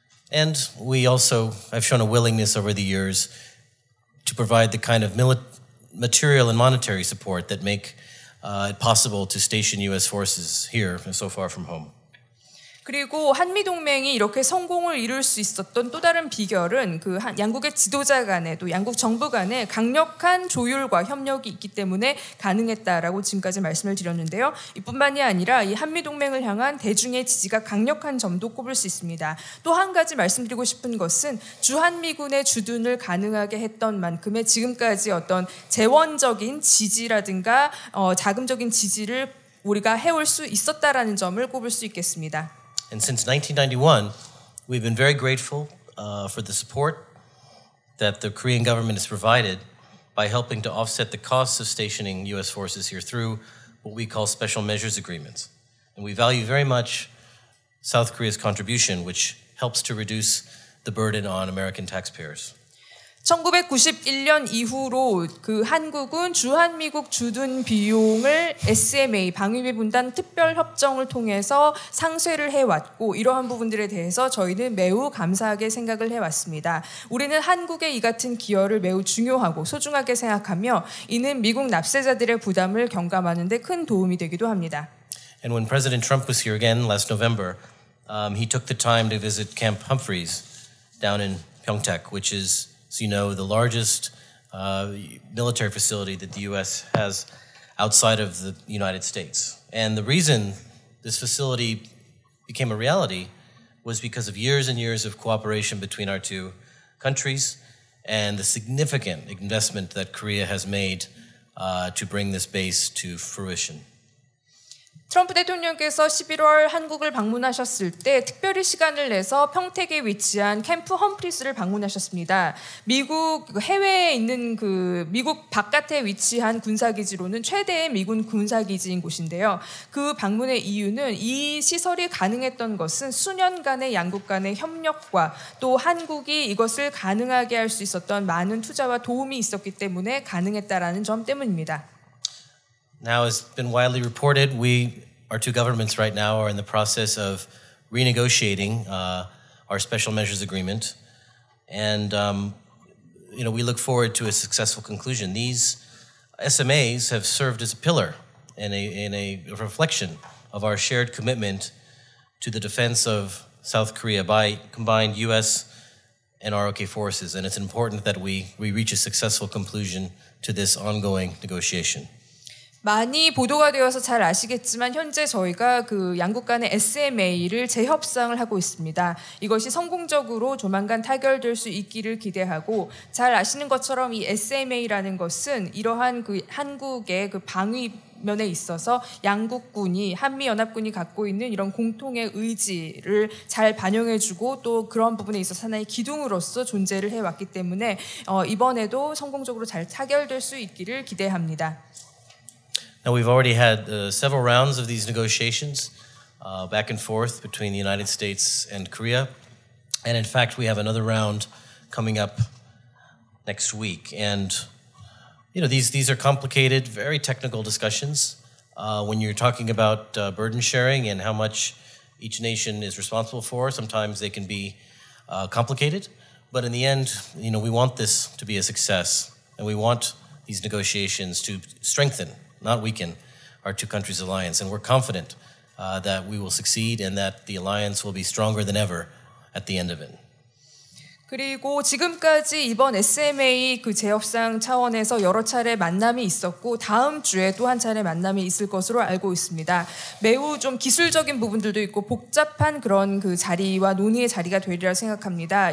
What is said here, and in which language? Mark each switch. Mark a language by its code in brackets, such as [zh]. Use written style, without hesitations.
[en] And we also have shown a willingness over the years to provide the kind of material and monetary support that make it possible to station U.S. forces here so far from home. [ko] 그리고 한미동맹이 이렇게 성공을 이룰 수 있었던 또 다른 비결은 그 양국의 지도자 간에 또 양국 정부 간에 강력한 조율과 협력이 있기 때문에 가능했다라고 지금까지 말씀을 드렸는데요. 이뿐만이 아니라 이 한미동맹을 향한 대중의 지지가 강력한 점도 꼽을 수 있습니다. 또 한 가지 말씀드리고 싶은 것은 주한미군의 주둔을 가능하게 했던 만큼의 지금까지 어떤 재원적인 지지라든가 자금적인 지지를 우리가 해올 수 있었다라는 점을 꼽을 수 있겠습니다. [en] And since 1991, we've been very grateful for the support that the Korean government has provided by helping to offset the costs of stationing U.S. forces here through what we call special measures agreements. And we value very much South Korea's contribution, which helps to reduce the burden on American taxpayers. [ko] 1991년 이후로 그 한국은 주한미국 주둔 비용을 SMA, 방위비 분담 특별협정을 통해서 상쇄를 해왔고 이러한 부분들에 대해서 저희는 매우 감사하게 생각을 해왔습니다. 우리는 한국의 이 같은 기여를 매우 중요하고 소중하게 생각하며 이는 미국 납세자들의 부담을 경감하는 데 큰 도움이 되기도 합니다. [en] And when President Trump was here again last November, he took the time to visit Camp Humphreys down in Pyeongtaek, which is So you know, the largest military facility that the U.S. has outside of the United States. And the reason this facility became a reality was because of years and years of cooperation between our two countries and the significant investment that Korea has made to bring this base to fruition. [ko] 트럼프 대통령께서 11월 한국을 방문하셨을 때 특별히 시간을 내서 평택에 위치한 캠프 험프리스를 방문하셨습니다. 미국 해외에 있는 그 미국 바깥에 위치한 군사기지로는 최대의 미군 군사기지인 곳인데요. 그 방문의 이유는 이 시설이 가능했던 것은 수년간의 양국 간의 협력과 또 한국이 이것을 가능하게 할 수 있었던 많은 투자와 도움이 있었기 때문에 가능했다라는 점 때문입니다. [en] Now, as has been widely reported, our two governments right now are in the process of renegotiating our special measures agreement. And, you know, we look forward to a successful conclusion. These SMAs have served as a pillar and a reflection of our shared commitment to the defense of South Korea by combined U.S. and ROK forces. And it's important that we reach a successful conclusion to this ongoing negotiation. [ko] 많이 보도가 되어서 잘 아시겠지만 현재 저희가 그 양국 간의 SMA를 재협상을 하고 있습니다. 이것이 성공적으로 조만간 타결될 수 있기를 기대하고 잘 아시는 것처럼 이 SMA라는 것은 이러한 그 한국의 그 방위 면에 있어서 양국군이 한미연합군이 갖고 있는 이런 공통의 의지를 잘 반영해주고 또 그런 부분에 있어서 하나의 기둥으로서 존재를 해왔기 때문에 이번에도 성공적으로 잘 타결될 수 있기를 기대합니다. [en] Now we've already had several rounds of these negotiations back and forth between the United States and Korea. And in fact, we have another round coming up next week. And you know, these are complicated, very technical discussions. When you're talking about burden sharing and how much each nation is responsible for, sometimes they can be complicated. But in the end, you know, we want this to be a success. And we want these negotiations to strengthen, not weaken, our two countries' alliance. And we're confident that we will succeed and that the alliance will be stronger than ever at the end of it. [ko] 그리고 지금까지 이번 SMA 그 재협상 차원에서 여러 차례 만남이 있었고 다음 주에 또 한 차례 만남이 있을 것으로 알고 있습니다. 매우 좀 기술적인 부분들도 있고 복잡한 그런 그 자리와 논의의 자리가 되리라 생각합니다.